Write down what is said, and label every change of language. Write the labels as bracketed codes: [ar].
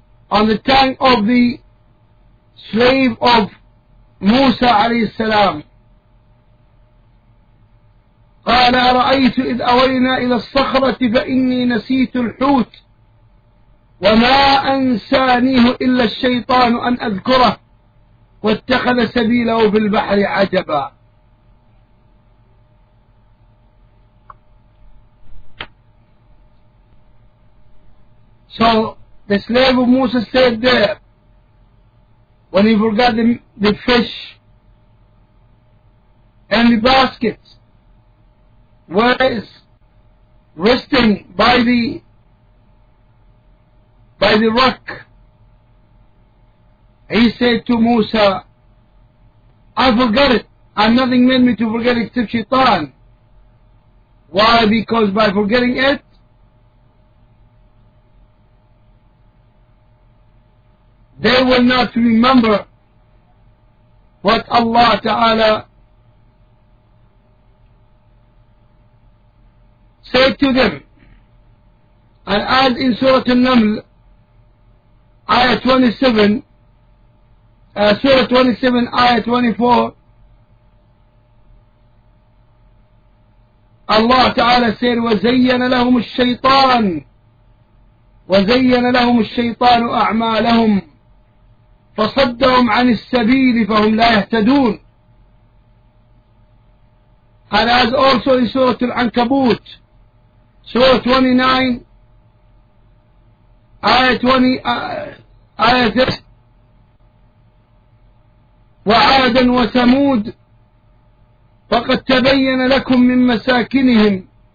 [en] on the tongue of the slave of Musa alayhi salam, [ar] قَالَ رَأَيْتُ إِذْ أَوَيْنَا إِلَى الصَّخْرَةِ فَإِنِّي نَسِيتُ الْحُوتِ وَمَا أَنْسَانِيهُ إِلَّا الشَّيْطَانُ أَنْ أَذْكُرَهُ واتخذ سبيله في البحر عجبا. [en] So the slave of Moses stayed there. When he forgot the fish and the basket was resting by the rock, he said to Musa, I forgot it, and nothing made me to forget except Shaitan. Why? Because by forgetting it, they will not remember what Allah Ta'ala said to them. I add in Surah An-Naml, Ayah 27, Surah 27, Ayah 24, Allah Ta'ala said, [ar] وَزَيَّنَ لَهُمُ الشَّيْطَانُ وَزَيَّنَ لَهُمُ الشَّيْطَانُ أَعْمَالَهُمْ فصدهم عن السبيل فهم لا يهتدون. [en] And as also in Surah Al-Ankabut, Surah 29, Ayah 20, Ayah 30, [ar] وعادا وثمود فقد تبين لكم من مساكنهم.